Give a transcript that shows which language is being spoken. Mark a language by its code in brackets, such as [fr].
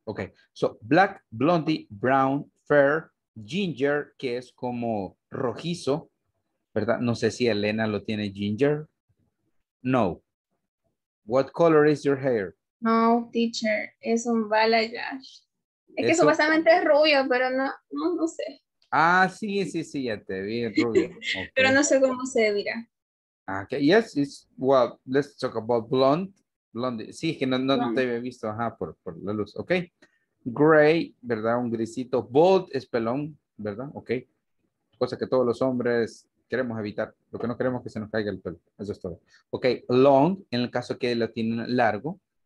[en] Ok, so black, blondie, brown, fair, ginger, [es] que es como rojizo, ¿verdad? No sé si Elena lo tiene ginger. No. [en] What color is your hair? [es] No, teacher, es un balayage. Es que supuestamente es rubio, pero no sé. Ah, sí, ya te vi rubio. Okay. Pero no sé cómo se dirá. [en] Okay, yes, it's, well, let's talk about blonde. [es] Blonde, sí, que no te había visto, ajá, por la luz, ok. Gray, ¿verdad? Un grisito. Bold es pelón, ¿verdad? Ok. Cosa que todos los hombres queremos evitar. Lo que no queremos es que se nos caiga el pelo. Eso es todo. Ok, long, en el caso que lo tienen largo.